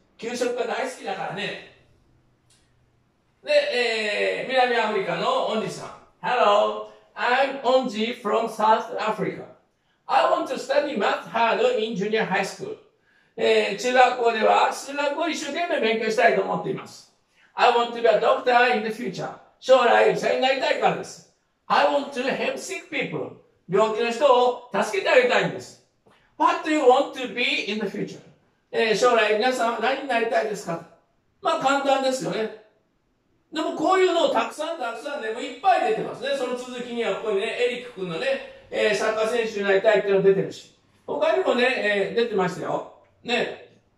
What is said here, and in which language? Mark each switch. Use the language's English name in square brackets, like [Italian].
[Japanese] 給食が大好きだからね。で、南アフリカのオンジさん。 [English] Hello, I'm Onji from South Africa. I want to study math hard in junior high school. [Japanese] 中学校では数学を一生懸命勉強したいと思っています。 [English] I want to be a doctor in the future. [Japanese] 将来医者になりたいからです。 [English] I want to help sick people. [Japanese] 病気の人を助けてあげたいんです。 [English] What do you want to be in the future?、 [Japanese] 将来皆さんは何になりたいですか? まあ簡単ですよね。でもこういうのをたくさんたくさんね、もういっぱい出てますね。その続きにはここにね、エリック君のね、サッカー選手になりたいっていうの出てるし。他にもね、出てましたよ。ね。